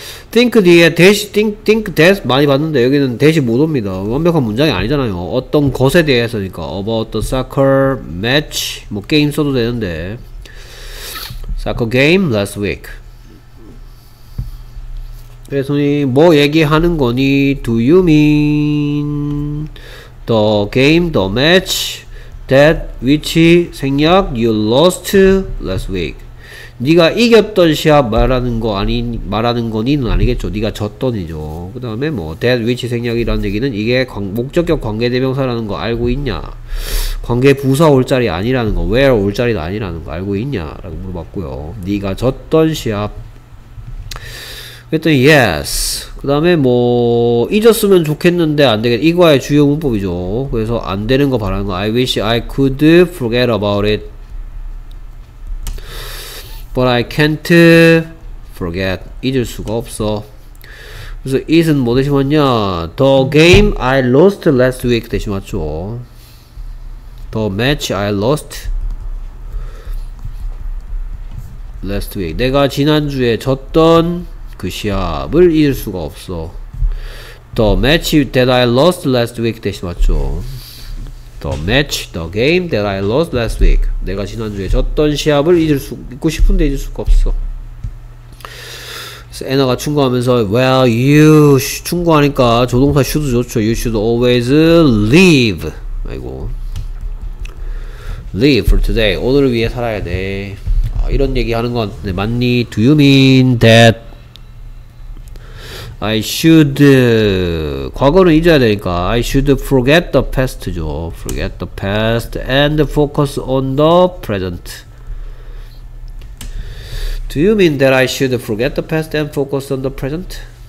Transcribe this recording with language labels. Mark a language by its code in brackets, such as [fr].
[ko] think 뒤에 대시 think that 많이 봤는데 여기는 대시 못 옵니다. 완벽한 문장이 아니잖아요. 어떤 것에 대해서니까 [en] about the soccer match [ko] 뭐 게임 써도 되는데 [en] soccer game last week. [ko] 그래서 뭐 얘기하는 거니? [en] Do you mean the game, the match that which 생략 you lost last week? [ko] 네가 이겼던 시합 말하는 거 아니 말하는 거니는 아니겠죠. 네가 졌더니죠. 그 다음에 뭐 that which 생략이라는 얘기는 이게 목적격 관계대명사라는 거 알고 있냐? 관계 부사 올 자리 아니라는 거, where 올 자리도 아니라는 거 알고 있냐라고 물어봤고요. 네가 졌던 시합 그랬더니 yes. 그 다음에 뭐 잊었으면 좋겠는데 안 되겠. 이거의 주요 문법이죠. 그래서 안 되는 거 바라는 거. [en] I wish I could forget about it. But I can't forget. [ko] 잊을 수가 없어. 그래서 it은 뭐 대신 왔냐? [en] The game I lost last week [ko] 대신 왔죠. [en] The match I lost last week. [ko] 내가 지난주에 졌던 그 시합을 잊을 수가 없어. [en] The match that I lost last week [ko] 대신 왔죠. [en] The match, the game that I lost last week. [ko] 내가 지난주에 졌던 시합을 잊고 싶은데 잊을 수가 없어. 그래서 애나가 충고하면서 [en] Well, you [ko] 충고하니까 조동사 should 좋죠. [en] You should always live. [ko] 아이고 [en] live for today. [ko] 오늘을 위해 살아야 돼. 아, 이런 얘기하는 건 네, 맞니? [en] Do you mean that I should [ko] 과거는 잊어야 되니까 [en] I should forget the past죠. Forget the past and focus on the present. Do you mean that I should forget the past and focus on the present?